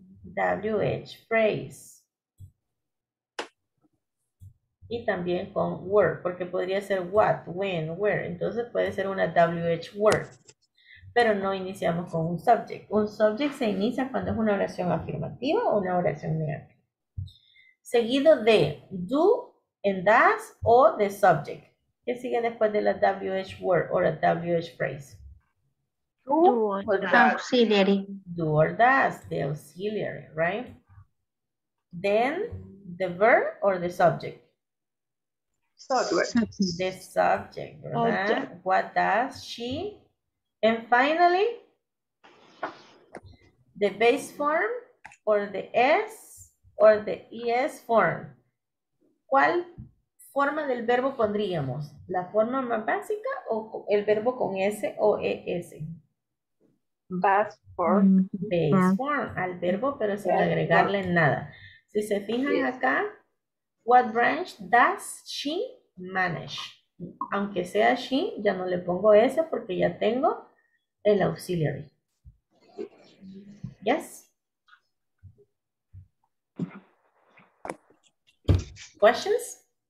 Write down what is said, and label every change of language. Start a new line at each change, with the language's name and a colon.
English: WH phrase.
Spanish: Y también con word, porque podría ser what, when, where. Entonces puede ser una WH word. Pero no iniciamos con un subject. Un subject se inicia cuando es una oración afirmativa o una oración negativa. Seguido de do and does o the subject. ¿Qué sigue después de la WH word o la WH phrase?
English: Do or does. Auxiliary. Do or does, the auxiliary, right? Then, the verb or the subject? Subject. The subject, right? What does she? And finally, the base form or the S or the ES form.
Spanish: ¿Cuál forma del verbo pondríamos? ¿La forma más básica o el verbo con S o ES?
English: Base form.
Spanish: Base form al verbo, pero sin agregarle nada. Si se fijan acá,
English: what branch does she manage?
Spanish: Aunque sea she, ya no le pongo ese porque ya tengo el auxiliary.
English: Yes. Questions?